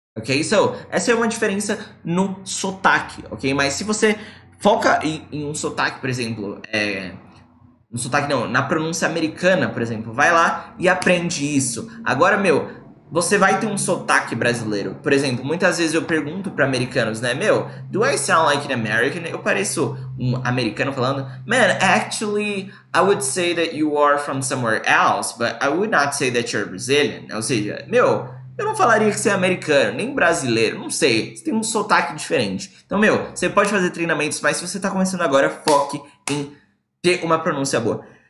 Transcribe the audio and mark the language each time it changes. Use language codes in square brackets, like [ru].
[pt] Ok, so, essa é uma diferença no sotaque, ok? Mas se você foca em um sotaque, por exemplo, no sotaque não, na pronúncia americana, por exemplo, vai lá e aprende isso. Agora, meu, você vai ter um sotaque brasileiro. Por exemplo, muitas vezes eu pergunto para americanos, né? [en] Meu, do I sound like an American? [pt] Eu pareço um americano falando, [en] man, actually, I would say that you are from somewhere else, but I would not say that you're Brazilian. [pt] Ou seja, meu, eu não falaria que você é americano, nem brasileiro, não sei. Você tem um sotaque diferente. Então, meu, você pode fazer treinamentos, mas se você tá começando agora, foque em ter uma pronúncia boa.